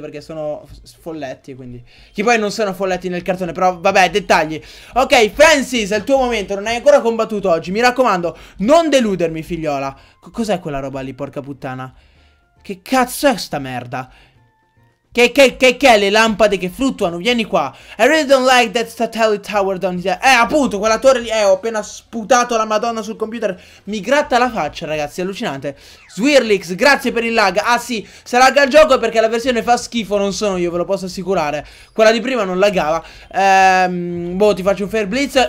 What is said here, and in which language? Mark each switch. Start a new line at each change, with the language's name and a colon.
Italian: Perché sono folletti, quindi. Che poi non sono folletti nel cartone, però vabbè, dettagli. Ok, Francis, è il tuo momento. Non hai ancora combattuto oggi. Mi raccomando, non deludermi, figliola. Cos'è quella roba lì, porca puttana? Che cazzo è sta merda? Che le lampade che fluttuano? Vieni qua.
English: I really don't like that satellite tower down here.
Italian: Appunto, quella torre lì. Ho appena sputato la madonna sul computer. Mi gratta la faccia, ragazzi, allucinante. Swirlix, grazie per il lag. Ah sì, se lagga il gioco è perché la versione fa schifo. Non sono io, ve lo posso assicurare. Quella di prima non laggava. Ti faccio un fair blitz.